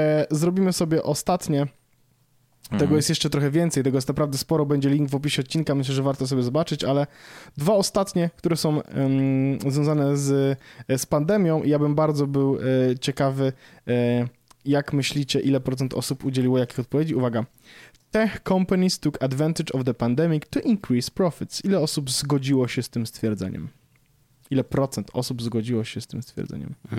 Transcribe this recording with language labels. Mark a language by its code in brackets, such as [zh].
[pl] Zrobimy sobie ostatnie. Tego jest jeszcze trochę więcej, tego jest naprawdę sporo, będzie link w opisie odcinka, myślę, że warto sobie zobaczyć, ale dwa ostatnie, które są związane z pandemią i ja bym bardzo był ciekawy, jak myślicie, ile procent osób udzieliło jakich odpowiedzi. Uwaga, [en] Tech companies took advantage of the pandemic to increase profits. [pl] Ile osób zgodziło się z tym stwierdzeniem? Ile procent osób zgodziło się z tym stwierdzeniem?